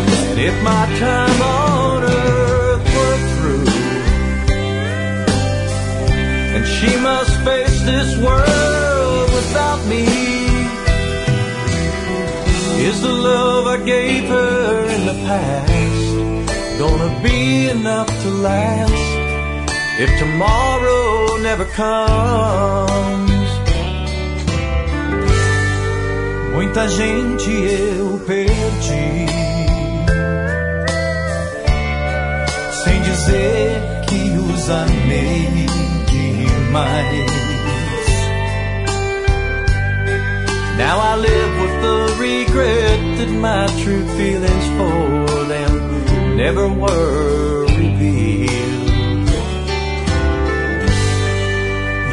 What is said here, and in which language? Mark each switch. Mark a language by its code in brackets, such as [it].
[en] And if my time on earth were through, and she must face this world without me, is the love I gave her in the past gonna be enough to last if tomorrow never comes? [pt] Muita gente eu perdi sem dizer que os amei demais. [en] Now I live with the regret that my true feelings for them never were revealed.